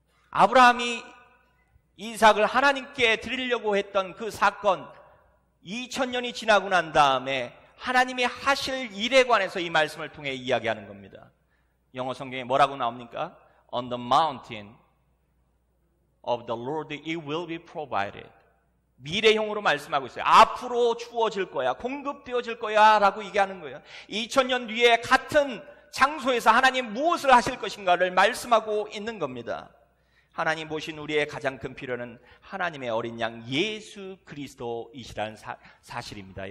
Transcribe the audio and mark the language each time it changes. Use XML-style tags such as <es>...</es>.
<ko>아브라함이 이삭을 하나님께 드리려고 했던 그 사건 2000년이 지나고 난 다음에 하나님이 하실 일에 관해서 이 말씀을 통해 이야기하는 겁니다. 영어 성경에 뭐라고 나옵니까?</ko> <en>On the mountain of the Lord it will be provided.</en> <ko>미래형으로 말씀하고 있어요. 앞으로 주어질 거야, 공급되어질 거야 라고 얘기하는 거예요. 2000년 뒤에 같은 장소에서 하나님 무엇을 하실 것인가를 말씀하고 있는 겁니다. 하나님 보신 우리의 가장 큰 필요는 하나님의 어린 양 예수 그리스도이시라는 사실입니다.</ko>